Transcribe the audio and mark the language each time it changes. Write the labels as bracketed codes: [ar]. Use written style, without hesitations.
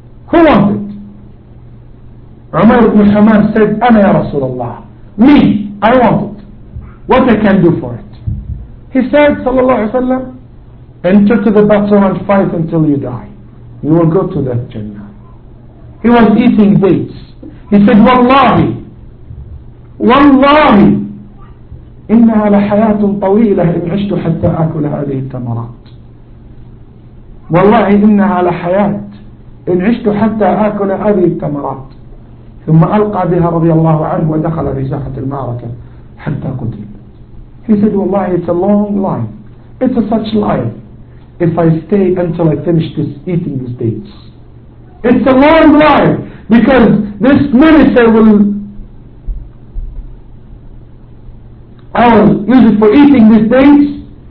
[en] Who wants it? Umar ibn Hamam said, Ana ya Rasulullah. Me, I want it. What I can do for it? He said, sallallahu alayhi wa sallam, enter to the battle and fight until you die. You will go to that Jannah. He was eating dates. He said, [ar] wallahi, wallahi, إِنَّهَا لَحَيَاةٌ طَوِيلَةٌ إِنْ عِشْتُ حَتَّى أَكُلَ هَذِهِ التَّمَرَاتِ وَاللَّهِ إِنَّهَا لَحَيَاةٌ إِنْ عِشْتُ حَتَّى أَكُلَ هَذِهِ التَّمَرَاتِ ثُمَّ أَلْقَى بِهَا رَضِيَ اللَّهُ عَنْهُ وَدَخَلَ فِي سَاحَةِ الْمَعْرَكَةِ حَتَّى قُتِلَ. [en] He said, wallahi, it's a long life. It's a such life. If I stay until I finish this eating these dates. It's a long life because this minister will I will use it for eating these dates.